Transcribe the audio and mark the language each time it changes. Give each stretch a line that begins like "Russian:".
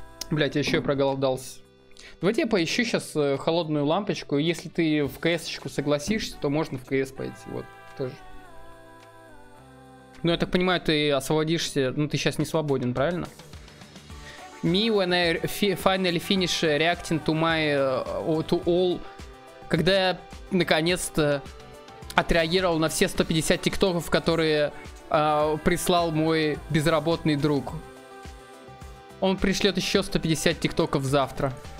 Russian: Блять, я еще и проголодался. Давайте я поищу сейчас холодную лампочку. Если ты в КС-очку согласишься, то можно в КС пойти. Вот, тоже. Ну, я так понимаю, ты освободишься. Ну, ты сейчас не свободен, правильно?
English: Me when I finally finish reacting to my to all.
Russian: Когда я наконец-то отреагировал на все 150 тиктоков, которые прислал мой безработный друг. Он пришлет еще 150 тиктоков завтра.